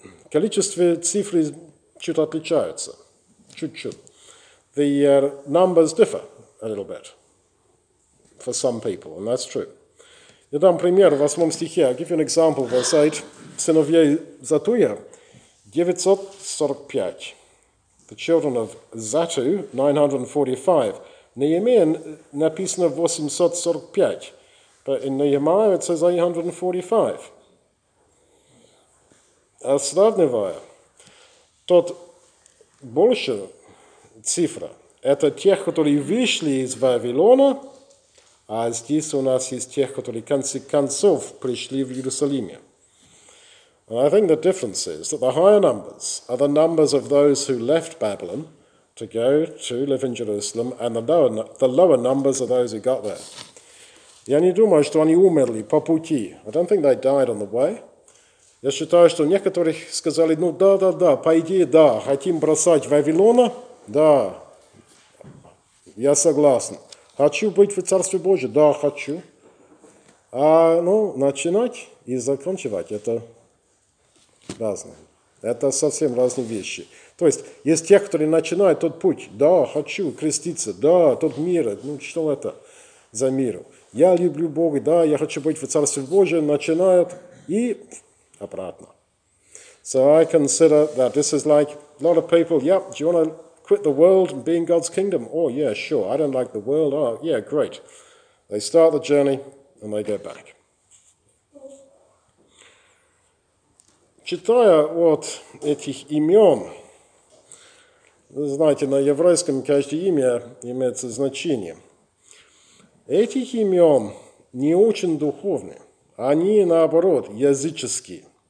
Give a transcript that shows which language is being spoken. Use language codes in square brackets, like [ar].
[ru] Количество цифр чуть отличаются, чуть-чуть. [en] The numbers differ a little bit for some people, and that's true. [ru] Я дам пример в 8 стихе. [en] I'll give you an example, verse 8. [ru] Сыновья Затуя, 945. [en] The children of Zatu, 945. [ru] Неемия написано 845, [en] but in Nehemiah it says 845. [ru] А сравнивая, тот больше цифра, это тех, которые вышли из Вавилона, а здесь у нас есть тех, которые в конце концов пришли в Иерусалиме. [en] And I think the difference is that the higher numbers are the numbers of those who left Babylon to go to live in Jerusalem, and the lower numbers are those who got there. [ru] Я не думаю, что они умерли по пути. [en] I don't think they died on the way. [ru] Я считаю, что некоторых сказали, ну да, по идее, да, хотим бросать Вавилона, да, я согласен. Хочу быть в Царстве Божьем, да, хочу. А, ну, начинать и заканчивать, это разное. Это совсем разные вещи. То есть, есть те, которые начинают тот путь, да, хочу креститься, да, тот мир, ну, что это за мир? Я люблю Бога, да, я хочу быть в Царстве Божьем, начинают и... обратно. [en] So I consider that this is like a lot of people, yep, do you want to quit the world and be in God's kingdom? Oh yeah, sure, I don't like the world. Oh yeah, great. They start the journey and they go back. [ru] Читая вот этих имен, вы знаете, на еврейском каждое имя имеется значение. Этих имен не очень духовные, они наоборот языческие.